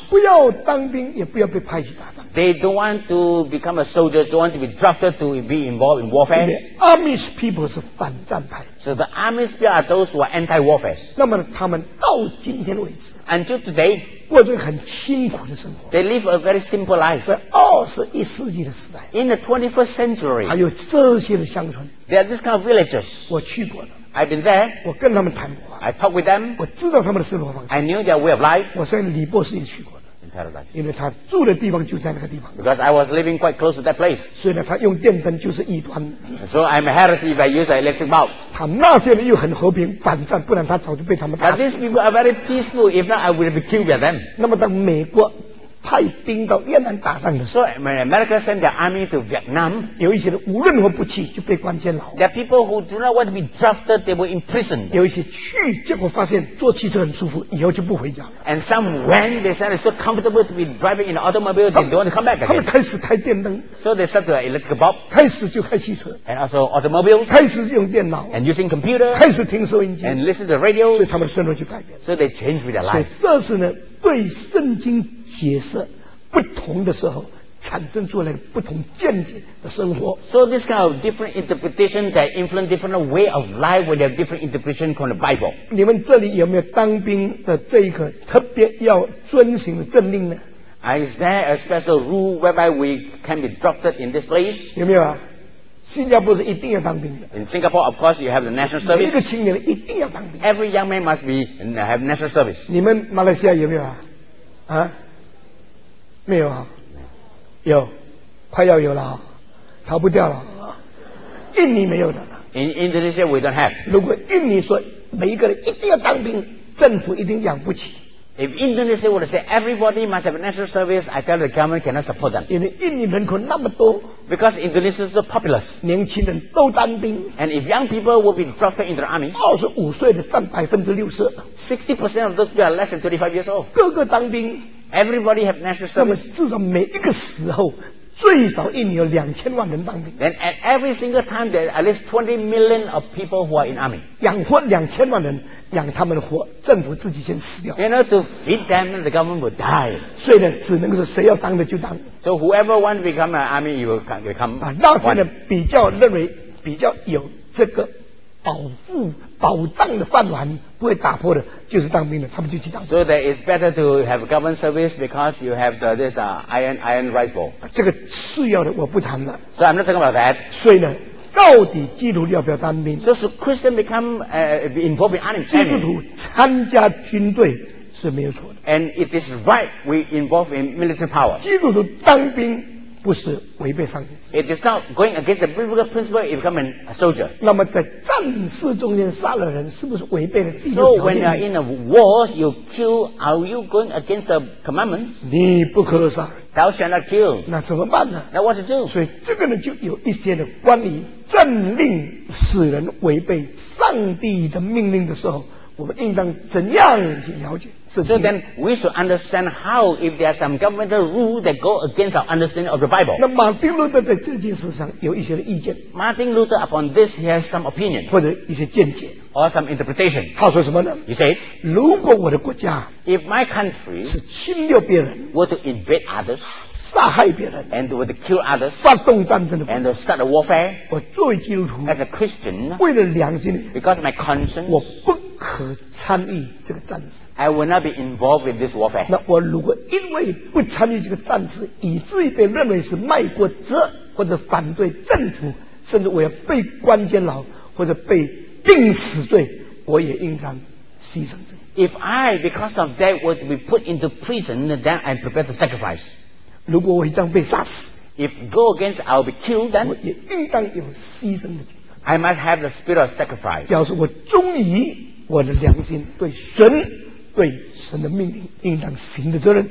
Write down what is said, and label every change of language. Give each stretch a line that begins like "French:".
Chinese: 不要当兵，也不要被派去打仗。
English: They don't want to become a soldier, don't want to be drafted to be involved in warfare. The
Chinese: Amish people 是反战派。
English: So the Amish people are those who are anti-warfare.
Chinese: 那么他们到今天为止
English: ，until today，
Chinese: 过着很清苦的生活。
English: They live a very simple life.
Chinese: 在21世纪的时代
English: ，in the 21st century，
Chinese: 还有这些的乡村
English: ，there are these kind of villages.
Chinese: 我去过的。
English: I've been there.
Chinese: 我跟他们谈过。
English: I talk with them.
Chinese: 我知道他们的生活方式。
English: I knew their way of life.
Chinese: 我在李博士也去过的。
English: In paradise.
Chinese: 因为他住的地方就在那个地方。
English: Because I was living quite close to that place.
Chinese: 所以呢，他用电灯就是异端。
English: So I'm a heresy if I use an electric bulb.
Chinese: 他那些人又很和平，反战，不然他早就被他们打死了。
English: But these people are very peaceful. If not, I would have been killed by them.
Chinese: 那么在美国派兵到越南打仗的时候
English: ，So America sent their army to Vietnam.
Chinese: 有一些人无论如何不去就被关监牢。
English: There are people who do not want to be drafted, they were imprisoned.
Chinese: 有一些去，结果发现坐汽车很舒服，以后就不回家了。
English: And some went, they said it's so comfortable to be driving in the automobile, they don't want to come back again.
Chinese: 他们开始开电灯
English: ，So they start to electric bulb.
Chinese: 开始就开汽车
English: ，And also automobiles.
Chinese: 开始用电脑
English: ，And using computer.
Chinese: 开始听收音机
English: ，And listen to radio.
Chinese: 所以他们的生活就改变
English: ，So they changed with their life.
Chinese: 所以这是呢。对圣经解释不同的时候产生出来不同见解的生活
English: So this kind of different interpretation that influence different way of life when they have different interpretation from the Bible
Chinese: 你们这里有没有当兵的这一个特别要遵循的政令呢
English: Is there a special rule whereby we can be drafted in this place
Chinese: 有没有啊新加坡是一定要当兵的
English: In Singapore of course you have the national service
Chinese: 每一个青年一定要当兵
English: Every young man must be have national service
Chinese: 你们马来西亚有没有啊啊没有啊有快要有了逃不掉了印尼没有的
English: In Indonesia we don't have
Chinese: 如果印尼说每一个人一定要当兵政府一定养不起
English: If Indonesia would say everybody must have national service I tell the government cannot support them
Chinese: 因为印尼人口那么多
English: Because Indonesia is so populous.
Chinese: 年轻人都当兵
English: And if young people will be drafted into the army,
Chinese: 25岁的占 60%.
English: 60% of those who are less than 25 years old.
Chinese: 个个当兵
English: Everybody have national service.
Chinese: 那么至少每一个时候最少一年有2000万人当兵
English: Then at every single time there are at least 20 million of people who are in army.
Chinese: 养活2000万人养他们活政府自己先死掉
English: You know, to feed them, the government will die.
Chinese: 所以呢只能说谁要当的就当。
English: So whoever want to become an army, you will become one.
Chinese: 那时呢比较认为比较有这个保护保障的饭碗不会打破的就是当兵的他们就去当兵。
English: So that it's better to have government service because you have the, this iron rice bowl.
Chinese: 这个次要的我不谈了。
English: So I'm not talking about that.
Chinese: 所以呢到底基督徒要不要当兵
English: So should Christian become involved in army?
Chinese: 基督徒参加军队是没有错的
English: And it is right we involve in military power
Chinese: 基督徒当兵不是违背上帝。
English: It is not going against the biblical principle if you become a soldier.
Chinese: 那么在战事中间杀了人，是不是违背了第六条诫命
English: ？So when you are in a war, you kill. Are you going against the commandments?
Chinese: 你不可杀。
English: Thou shalt not kill.
Chinese: 那怎么办呢
English: ？Now what to do?
Chinese: 所以这个呢，就有一些的关于政令使人违背上帝的命令的时候。我们应当怎样去了解圣经
English: ？So then we should understand how if there are some governmental rule that go against our understanding of the Bible.
Chinese: 那马丁路德在这件事上有一些的意见。
English: Martin Luther upon this he has some opinion
Chinese: 或者一些见解
English: or some interpretation.
Chinese: 他说什么呢
English: ？He said,
Chinese: 如果我的国家
English: if my country
Chinese: 是侵略别人
English: were to invade others
Chinese: 杀害别人
English: and were to kill others
Chinese: 发动战争的
English: and start a warfare
Chinese: 我作为基督徒
English: as a Christian
Chinese: 为了良心
English: because my conscience
Chinese: 我不可参与这个战事
English: I will not be involved in this warfare
Chinese: 那我如果因为不参与这个战事以至于被认为是卖国贼或者反对政府甚至我要被关监牢或者被定死罪我也应当牺牲自己
English: If I because of that were to be put into prison then I prepare to sacrifice
Chinese: 如果我一旦被杀死
English: If go against I will be killed then
Chinese: 我也应当有牺牲的精神
English: I must have the spirit of sacrifice
Chinese: 表示我忠于我的良心对神对神的命令应当行的责任